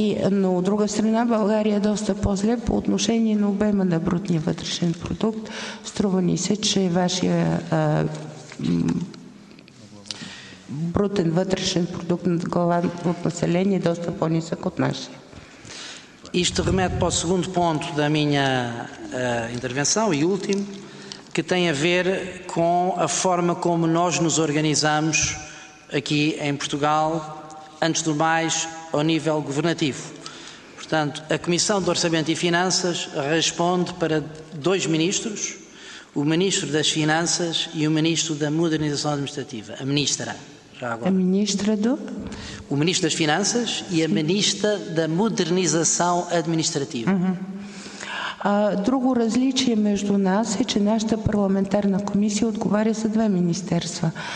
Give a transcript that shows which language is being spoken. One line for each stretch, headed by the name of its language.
Bulgarian: Но от друга страна, България е доста по-зле по отношение на обема на брутния вътрешен продукт. Струва ни се, че вашия брутен вътрешен продукт на глава от население е доста по-нисък от нашия.
Portuguese: Isto remete para o segundo ponto da minha intervenção e último, que tem a ver com a forma como nós nos organizamos aqui em Portugal, antes do mais, ao nível governativo. Portanto, a Comissão de Orçamento e Finanças responde para dois ministros, o Ministro das Finanças e o Ministro da Modernização Administrativa, a Ministra. Já agora. A Ministra do? O Ministro das Finanças e a Ministra da Modernização Administrativa.
Bulgarian: Друго различие между нас е, че нашата парламентарна комисия отговаря за две министерства.